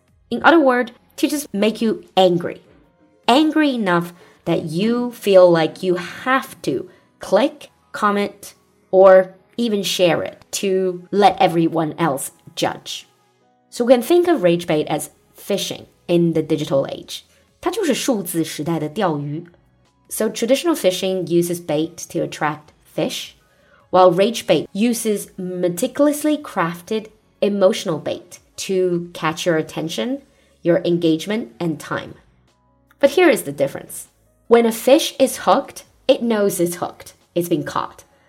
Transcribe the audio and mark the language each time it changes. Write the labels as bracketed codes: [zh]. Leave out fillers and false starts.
[en] In other words, to just make you angry. Angry enough that you feel like you have to click, comment, or even share it to let everyone else judge. So we can think of rage bait as fishing. In the digital age, [zh] 它就是数字时代的钓鱼。 [en] So traditional fishing uses bait to attract fish, while rage bait uses meticulously crafted emotional bait to catch your attention, your engagement, and time. But here is the difference. When a fish is hooked, it knows it's hooked, it's been caught.